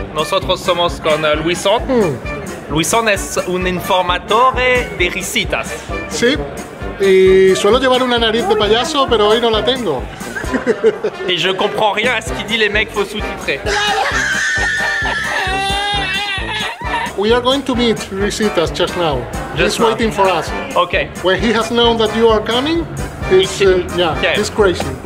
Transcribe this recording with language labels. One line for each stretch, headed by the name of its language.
Spanish: Nosotros somos con Luisón. Luisón es un informador de risitas. Sí, y suelo llevar una nariz de payaso, pero hoy no la tengo.
French: Y je comprends rien à ce qu'il dit les mecs, faut sous-titrer.
English: We are going to meet Risitas just now. Just he's waiting for us. Okay. When he has known that you are coming, it's it's crazy.